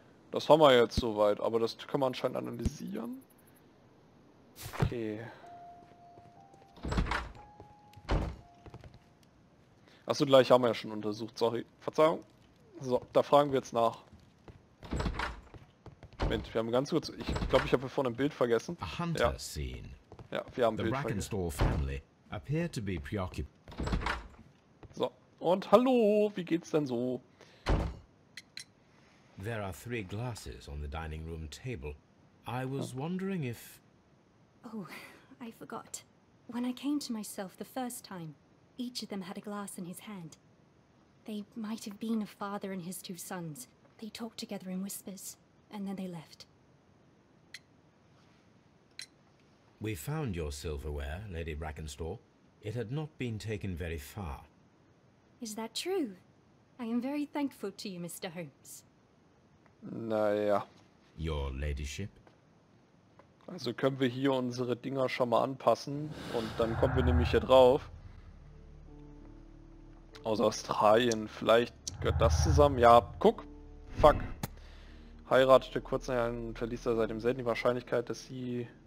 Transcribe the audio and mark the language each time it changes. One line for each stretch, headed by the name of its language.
German: Das haben wir jetzt soweit, aber das kann man anscheinend analysieren. Okay. Achso, gleich haben wir ja schon untersucht. Sorry. Verzeihung. So, da fragen wir jetzt nach. Moment, wir haben ganz kurz. Ich glaube, ich habe vorhin ein Bild vergessen. A hunter ja. Scene. Ja, wir haben ein Bild vergessen.
English: The Brackenstall family appear to be preoccupied.
German: So, und hallo, wie geht's denn so?
English: There are three glasses on the dining room table. I was wondering if... Oh, I forgot. When I came to myself the first time, each of them had a glass in his hand. They might have been a father and his two sons. They talked together in whispers, and then they left. We found your silverware, Lady Brackenstall. It had not been taken very far. Is that true? I am very thankful to you, Mr. Holmes.
German: Naja.
English: Your Ladyship.
German: Also können wir hier unsere Dinger schon mal anpassen und dann kommen wir nämlich hier drauf. Aus Australien, vielleicht gehört das zusammen. Ja, guck. Fuck. Heiratete kurz nachher und verließ er seitdem selten die Wahrscheinlichkeit, dass sie...